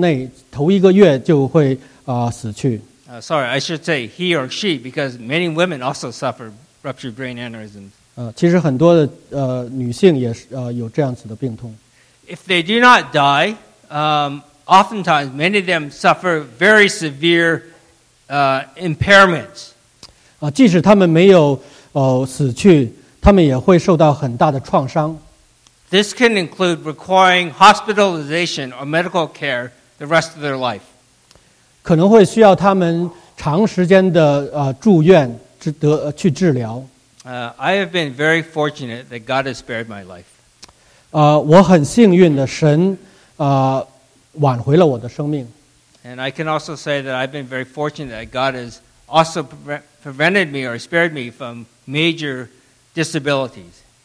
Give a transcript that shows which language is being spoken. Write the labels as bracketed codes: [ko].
[zh] 即使他没有及时的死去,在很短的时间内,头一个月就会死去。 [en] Sorry, I should say he or she, because many women also suffer ruptured brain aneurysms. [zh] 其实很多的女性也有这样子的病痛。 [en] If they do not die, oftentimes many of them suffer very severe impairments. [zh] 即使他们没有死去,他们也会受到很大的创伤。 [en] This can include requiring hospitalization or medical care the rest of their life. [zh] 可能会需要他们长时间的住院去治疗。 [en] I have been very fortunate that God has spared my life. [zh] 我很幸运的神挽回了我的生命。 [en] And I can also say that I've been very fortunate that God has also prevented me or spared me from major disabilities.